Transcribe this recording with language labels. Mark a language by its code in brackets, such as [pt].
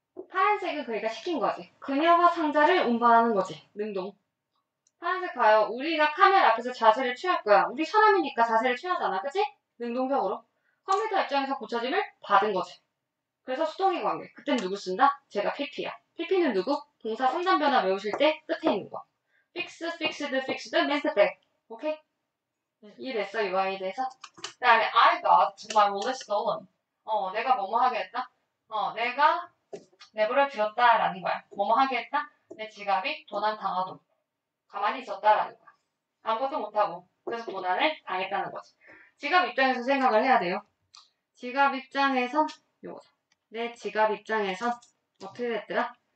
[ko] 파란색은 그러니까 시킨 거지. 그녀가 상자를 운반하는 거지. 능동. 파란색 봐요. 우리가 카메라 앞에서 자세를 취할 거야. 우리 사람이니까 자세를 취하잖아. 그치? 능동적으로. 컴퓨터 입장에서 고쳐짐을 받은 거지. 그래서 수동의 관계. 그땐 누구 쓴다? 제가 PP야. PP는 누구? 동사 상단 변화 외우실 때 끝에 있는 거. [en] Fix, fixed, fixed, meant back. [ko] 오케이? 이해됐어? 이 아이에 대해서? 그 다음에 [en] I got my wallet stolen. [ko] 내가 뭐뭐 하게 했다? 내가 내버려 두었다 라는 거야. 뭐뭐 하게 했다? 내 지갑이 도난 당하도록 가만히 있었다라는 거야. 아무것도 못하고 그래서 도난을 당했다는 거지. 지갑 입장에서 생각을 해야 돼요. 지갑 입장에선 요거다. 내 지갑 입장에선 어떻게 됐더라?